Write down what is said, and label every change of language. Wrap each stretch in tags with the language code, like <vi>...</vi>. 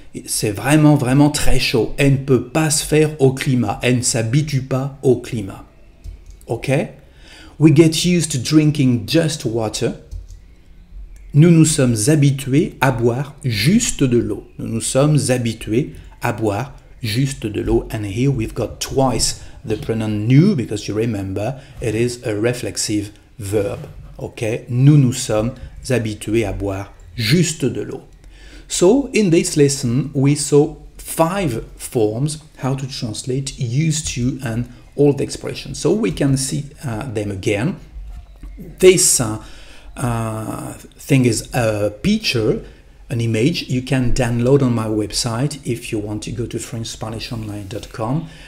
<fr>C'est vraiment, vraiment très chaud. Elle ne peut pas se faire au climat. Elle ne s'habitue pas au climat. Okay?</fr> <en>We get used to drinking just water.</en> <fr>Nous nous sommes habitués à boire juste de l'eau. Nous nous sommes habitués à boire juste de l'eau.</fr> <en>And here we've got twice the pronoun new, because you remember, it is a reflexive verb.</en> <fr>Okay, nous nous sommes habitués à boire juste de l'eau.</fr> <en>So, in this lesson, we saw five forms, how to translate used to and all the expressions. So, we can see them again. This thing is a picture, an image you can download on my website if you want to go to FrenchSpanishOnline.com.</en>